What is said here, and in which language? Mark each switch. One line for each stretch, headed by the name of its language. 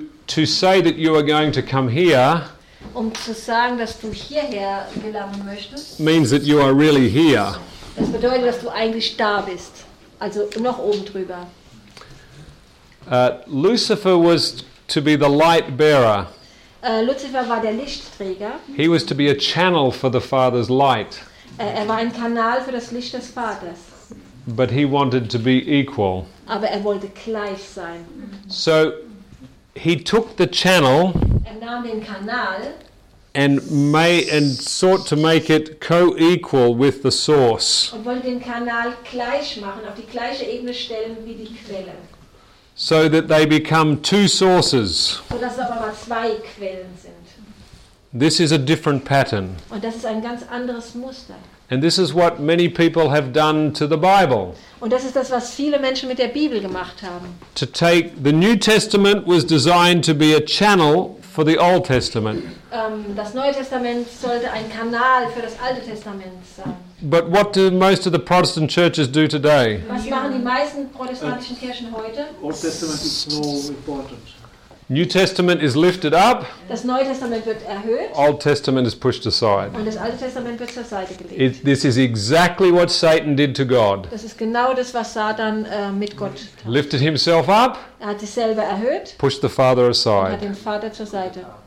English: To say that you are going to come here,
German: um zu sagen, dass du hierher gelangen möchtest,
English: means that you are really here.
German: Das bedeutet, dass du eigentlich da bist, also noch oben drüber.
English: Lucifer was to be the light bearer.
German: Lucifer war der Lichtträger.
English: He was to be a channel for the Father's light.
German: Er war ein Kanal für das Licht des Vaters.
English: But he wanted to be equal.
German: Aber er wollte gleich sein.
English: So he took the channel.
German: Er nahm den Kanal.
English: And sought to make it co-equal with the source.
German: Und wollte den Kanal gleich machen, auf die gleiche Ebene stellen wie die Quelle.
English: so that they become two sources.
German: So dass es aber mal zwei Quellen sind.
English: This is a different pattern.
German: Und das ist ein ganz anderes Muster.
English: And this is what many people have done to the Bible.
German: Und das ist das, was viele Menschen mit der Bibel gemacht haben.
English: To take the New Testament was designed to be a channel for the Old Testament.
German: Das Neue Testament sollte ein Kanal für das Alte Testament sein.
English: But what do most of the Protestant churches do today?
German: Was machen die meisten protestantischen Kirchen heute?
English: Old Testament is so important. New Testament is lifted up.
German: Das Neue Testament wird erhöht.
English: Old Testament is pushed aside.
German: Und das Alte Testament wird zur Seite gelegt.
English: This is exactly what Satan did to God.
German: Das ist genau das, was Satan mit Gott tat.
English: Lifted himself up.
German: Er hat sich selber erhöht.
English: Pushed the Father aside.
German: Und hat den Vater zur Seite.